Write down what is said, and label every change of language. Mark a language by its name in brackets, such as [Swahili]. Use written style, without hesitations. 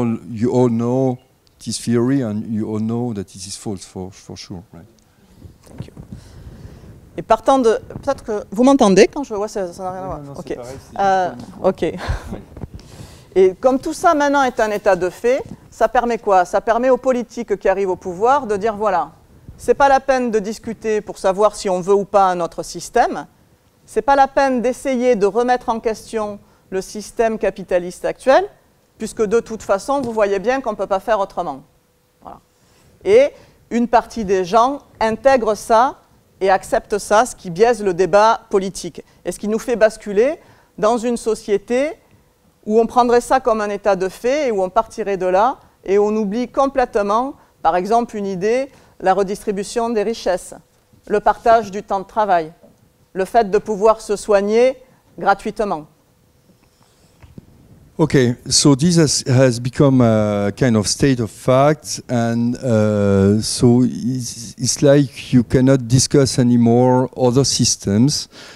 [English] You all know this theory and you all know that it is false for sure, right? Thank you. [French] Et partant de... Peut-être que vous m'entendez quand je vois ça n'a rien à voir. Non, c'est okay. Pareil. Ouais. Et comme tout ça maintenant est un état de fait, ça permet quoi? Ça permet aux politiques qui arrivent au pouvoir de dire voilà, c'est pas la peine de discuter pour savoir si on veut ou pas un autre système. C'est pas la peine d'essayer de remettre en question le système capitaliste actuel, puisque de toute façon, vous voyez bien qu'on ne peut pas faire autrement. Voilà. Et une partie des gens intègre ça et accepte ça, ce qui biaise le débat politique. Et ce qui nous fait basculer dans une société où on prendrait ça comme un état de fait, et où on partirait de là, et on oublie complètement, par exemple, une idée, la redistribution des richesses, le partage du temps de travail, le fait de pouvoir se soigner gratuitement. [English] Okay, so this has become a kind of state of fact, and so it's like you cannot discuss anymore other systems,